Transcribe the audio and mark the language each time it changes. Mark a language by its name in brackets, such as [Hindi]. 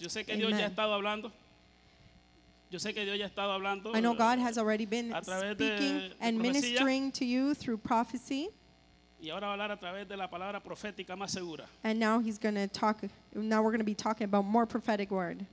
[Spanish] Yo sé que Dios ya ha estado hablando. Yo sé que Dios ya ha estado hablando. [English] I know God has already been speaking and ministering to you through prophecy. [Spanish] Y ahora va a hablar a través de la palabra profética más segura. [English] And now he's going to talk. Now we're going to be talking about more prophetic word.